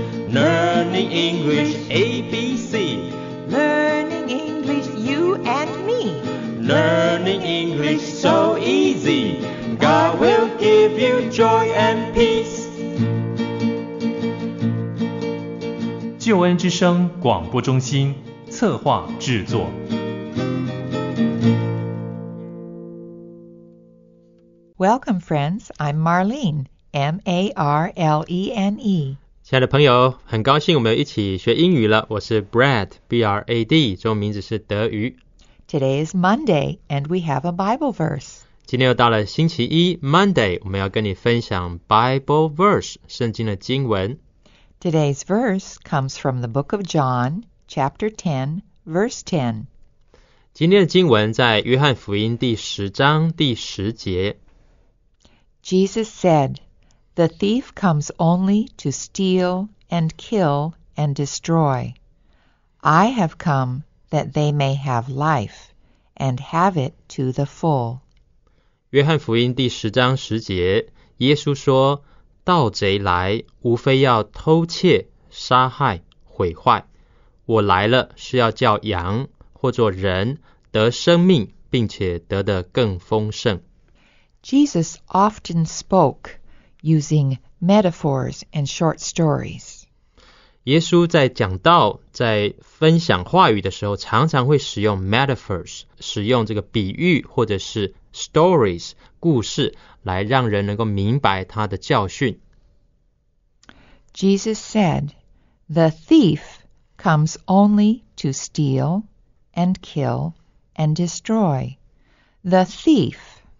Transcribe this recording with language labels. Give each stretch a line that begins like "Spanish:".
English: Learning English ABC. Learning English you and me. Learning English so easy. God will give you joy and peace.
Chinese: 救恩之声广播中心策划制作。
English: Welcome, friends. I'm Marlene. M-A-R-L-E-N-E.
Chinese: 亲爱的朋友，很高兴我们一起学英语了。我是 Brad, B-R-A-D, 中文名字是德瑜。
English: Today is Monday, and we have a Bible verse.
Chinese: 今天又到了星期一 ,Monday, 我们要跟你分享 Bible verse, 圣经的经文。
English: Today's verse comes from the book of John, chapter 10, verse 10.
Chinese: 今天的经文在约翰福音第十章第十节。
English: Jesus said, The thief comes only to steal and kill and destroy. I have come that they may have life and have it to the full.
Chinese: 约翰福音第十章十节，耶稣说，盗贼来，无非要偷窃、杀害、毁坏。我来了，是要叫羊或作人得生命，并且得得更丰盛。
English: Jesus often spoke using metaphors and short stories.
Chinese: 耶稣在讲道、在分享话语的时候，常常会使用 metaphors， 使用这个比喻或者是 stories 故事，来让人能够明白他的教训。
English: Jesus said, "The thief comes only to steal and kill and destroy." The thief.